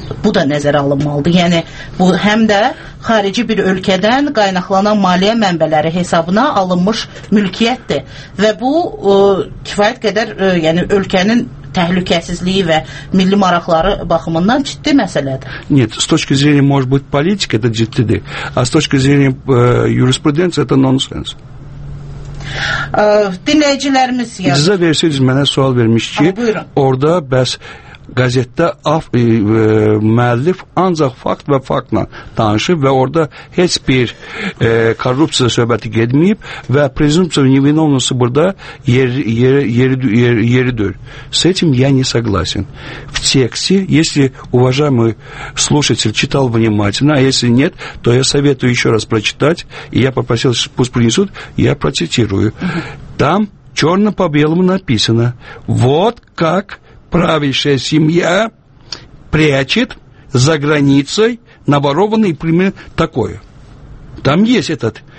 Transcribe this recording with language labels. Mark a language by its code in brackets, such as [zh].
[az] Bu da nəzərə alınmalıdır. Yəni, bu həm də xarici bir ölkədən qaynaqlanan maliyyə mənbələri hesabına alınmış mülkiyyətdir. Və bu kifayət qədər ölkənin təhlükəsizliyi və milli maraqları baxımından ciddi məsələdir. [ru] Нет, с точки зрения, может быть, политики это [az] ciddidir. [ru] А с точки зрения юриспруденции это нонсенс. [az] Dinləyicilərimiz yəni. Sizə versəniz mənə sual vermiş ki, orada bəs qəzetdə müəllif ancaq fakt və faktla danışıb və orada heç bir korrupsiya söhbəti gedməyib və [ru] presumpsiya nevinovnosti [az] burada yeridir. [ru] С этим я не согласен. В тексте, если уважаемый слушатель читал внимательно, а если нет, то я советую еще раз прочитать, и я попросил, пусть принесут, я процитирую. Там черно по белому написано, вот как правящая семья прячет за границей наворованный пример такое. Там есть этот.